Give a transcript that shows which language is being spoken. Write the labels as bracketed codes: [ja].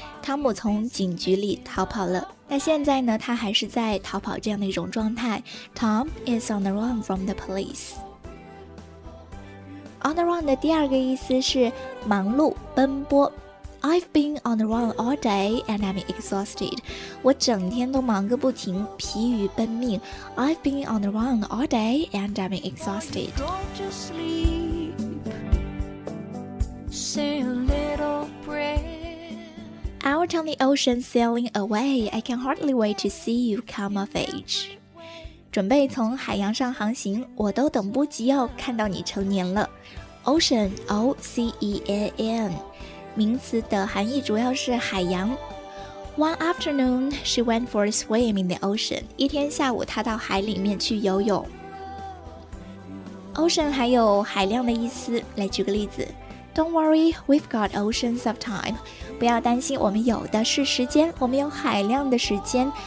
[zh] 汤姆从警局里逃跑了，那现在呢他还是在逃跑这样的一种状态， [en] Tom is on the run from the police. [zh] On the run 的第二个意思是忙碌奔波。 [en] I've been on the run all day and I'm exhausted. [zh] 我整天都忙个不停，疲于奔命。 [en] I've been on the run all day and I'm exhausted. Out on the ocean sailing away, I can hardly wait to see you come of age. [zh] 准备从海洋上航行，我都等不及要看到你成年了。 Ocean, O-C-E-A-N, 名词的含义主要是海洋。 [en] One afternoon, she went for a swim in the ocean. [zh] 一天下午她到海里面去游泳。 [en] Ocean [zh] 还有海量的意思，来举个例子。 [en] Don't worry, we've got oceans of time. [zh] 不要担心，我们有的是时间，我们有海量的时间。